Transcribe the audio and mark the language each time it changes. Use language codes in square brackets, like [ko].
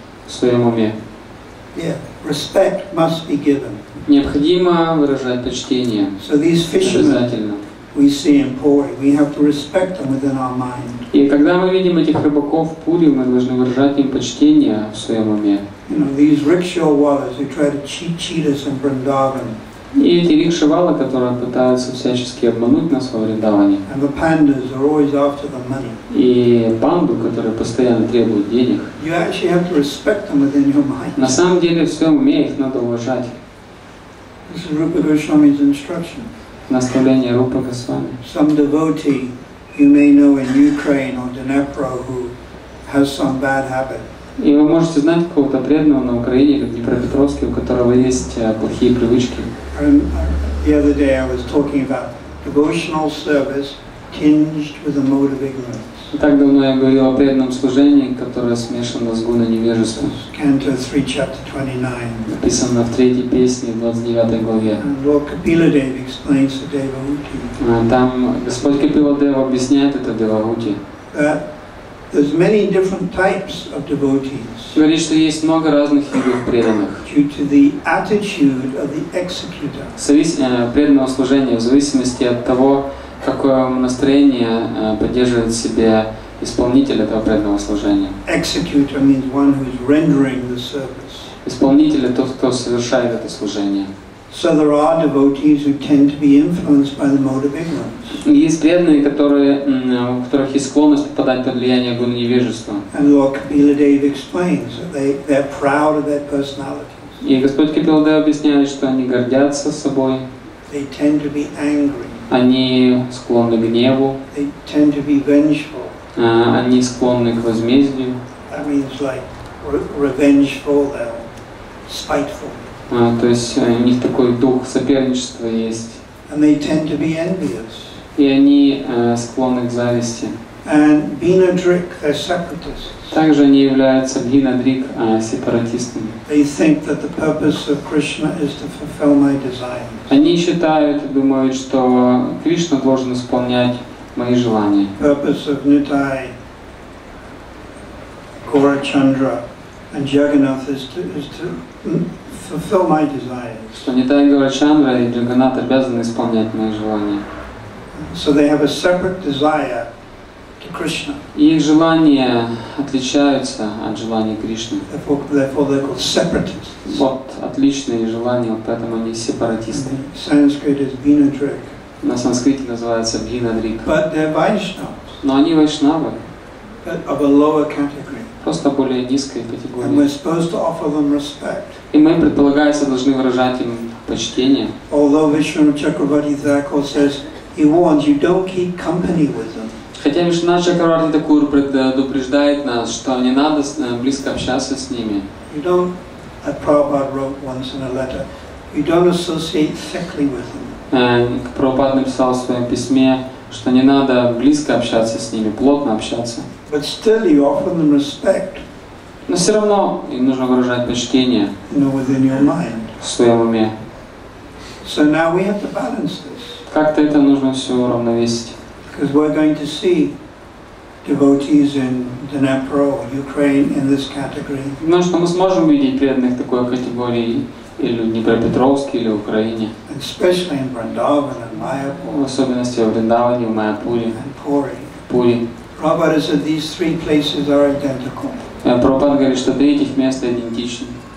[ru] В своем уме. [en] Yeah, respect must be given. [ru] Необходимо выражать почтение. [en] So these fishermen, [ru] обязательно. [en] We see in Puri, we have to respect them within our mind. [ru] И когда мы видим этих рыбаков в Пури, мы должны выражать им почтение в своем уме. [en] You know, these rickshaw wallahs who try to cheat us in Vrindavan. [ru] И эти рикшавалы, которые пытаются всячески обмануть нас во Вриндаване. [en] And the pandas are always after the money. [ru] И панду, которые постоянно требуют денег. [en] You actually have to respect them within your mind. [ru] На самом деле в своем уме их надо уважать. [en] This is Rupa Goswami's instruction. [ru] Наставление Рупа Госвами. [en] Some devotee you may know in Ukraine or Dnipro who has some bad habit. [ru] И вы можете знать какого-то преданного на Украине, как Днепропетровске, у которого есть плохие привычки. [en] The other day I was talking about devotional service tinged with a mode of ignorance. [ru] Так давно я говорил о преданном служении, которое смешано с гуной невежества. [en] Canto 3, chapter 29. [ru] Написано в третьей песне, в 29 главе. [en] And Lord Kapiladev explains the Devahuti. [ru] Там Господь Капиладев объясняет это Девахути. [en] There's many different types of devotees. [ru] Говорит, что есть много разных видов преданных. [en] Due to the attitude of the executor. [ru] Преданного служения в зависимости от того, какое настроение поддерживает себе исполнитель этого преданного служения. [en] Executor means one who is rendering the service. [ru] Исполнитель — это тот, кто совершает это служение. [en] So there are devotees who tend to be influenced by the mode of ignorance. [ru] Есть преданные, которые, у которых есть склонность попадать под влияние гуны невежества. [en] And Lord Kapiladev explains that they're proud of their personalities. [ru] И Господь Капиладев объясняет, что они гордятся собой. [en] They tend to be angry. [ru] Они склонны к гневу. [en] They tend to be vengeful. [ru] Они склонны к возмездию. [en] That means like revengeful, they're spiteful. [ru] То есть у них такой дух соперничества есть. [en] And they tend to be envious. [ru] И они склонны к зависти. [en] And Bhinadrik, they're separatists. [ru] Также они являются Bhinadrik, сепаратистами. [en] They think that the purpose of Krishna is to fulfill my desires. [ru] Они считают и думают, что Кришна должен исполнять мои желания. [en] Purpose of Nitai, Gaura Chandra, and Jagannath is to fulfill my desires. [ru] Что Нитай, Гаурачандра и Джаганнат обязаны исполнять мои желания. [en] So they have a separate desire to Krishna. [ru] Их желания отличаются от желаний Кришны. [en] Therefore they're called separatists. [ru] Вот отличные желания, вот поэтому они сепаратисты. [en] Sanskrit is Bhinadrik. [ru] На санскрите называется Bhinadrik. [en] But they're Vaishnavas. [ru] Но они вайшнавы. [en] But of a lower category. [ru] Просто более низкой категории. [en] And we're supposed to offer them respect. [ru] И мы, предполагается, должны выражать им почтение. [en] Although Vishwanath Chakravarti Thakur says he warns you don't keep company with them. [ru] Хотя Вишванат Чакраварти Такур предупреждает нас, что не надо близко общаться с ними. [en] You don't, as Prabhupada wrote once in a letter, you don't associate thickly with them. [ru] Прабхупада написал в своем письме, что не надо близко общаться с ними, плотно общаться. [en] But still you offer them respect. [ru] Но все равно им нужно выражать почтение. [en] You know, within your mind. [ru] В своем уме. [en] So now we have to balance this. [ru] Как-то это нужно все уравновесить. [en] Because we're going to see devotees in Dnipro, Ukraine in this category. [ru] Ну что мы сможем видеть преданных такой категории или в Днепропетровске, или в Украине. [en] Especially in Vrindavan and Mayapur. [ru] В особенности в Вриндаване, в Майяпуре. [en] And Puri. [ru] Пури. [en] Prabhupada said these three places are identical. [ru] Prabhupada говорит, что три этих места идентичны.